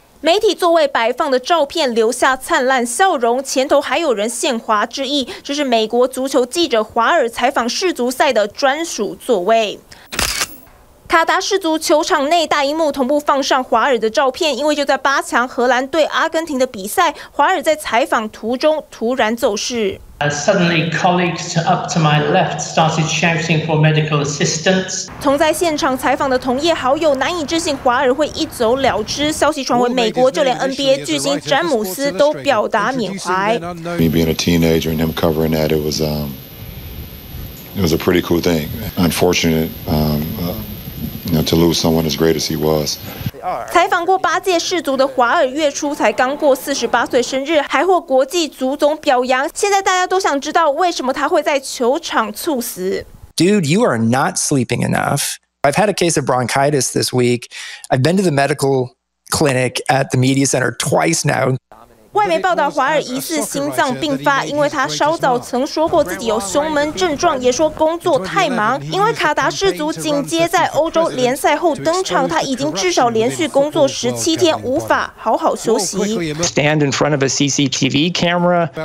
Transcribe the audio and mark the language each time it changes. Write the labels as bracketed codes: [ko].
[zh] 媒体座位摆放的照片留下灿烂笑容，前头还有人献花致意，这是美国足球记者华尔采访世足赛的专属座位。卡达世足球场内大荧幕同步放上华尔的照片，因为就在八强荷兰对阿根廷的比赛，华尔在采访途中突然走失。 [en] Suddenly, colleagues up to my left started shouting for medical assistance. [zh] 同在现场采访的同业好友难以置信华尔会一走了之。消息传闻，美国就连 NBA 巨星詹姆斯都表达缅怀。 [en] Me being a teenager and him covering that, it was a pretty cool thing. Unfortunate, to lose someone as great as he was. [zh] 采访过八届世足的华尔月初才刚过48岁生日，还获国际足总表扬。现在大家都想知道为什么他会在球场猝死。 [en] Dude, you are not sleeping enough. I've had a case of bronchitis this week. I've been to the medical clinic at the media center twice now. [zh] 外媒报道，华尔疑似心脏病发，因为他稍早曾说过自己有胸闷症状，也说工作太忙。因为卡达世足紧接在欧洲联赛后登场，他已经至少连续工作17天，无法好好休息。 [en] Stand in front of a CCTV camera。